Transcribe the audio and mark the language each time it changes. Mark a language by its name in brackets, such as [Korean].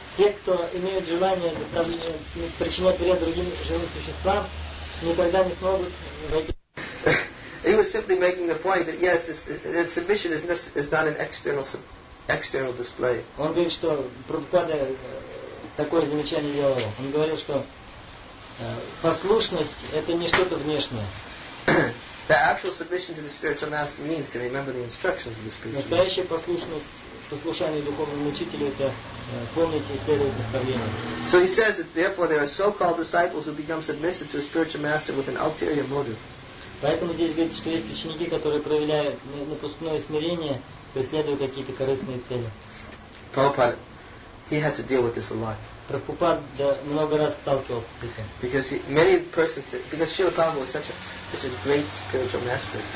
[Russian] Те, кто имеют желание причинять вред другим живым существам, никогда не смогут войти. [English] He was simply making the point that yes, that submission is not an external display. [Russian] Он говорит, что Прабхупада такое замечание делал. Он говорил, что послушность это не что-то внешнее. [English] The actual submission to the spiritual master means to remember the instructions of the spiritual master. [Russian] Настоящая послушность. Послушание духовному учителю это помнить и следовать наставлениям. [English] So he says that therefore there are so-called disciples who become submissive to a spiritual master with an ulterior motive. [Russian] Поэтому здесь говорится, что есть ученики, которые проявляют напускное смирение, преследуют какие-то корыстные цели. [English] Prabhupada, he had to deal with this a lot. [Russian] Прабхупада много раз сталкивался с этим. [English] Because Srila Prabhupada was such a great spiritual master.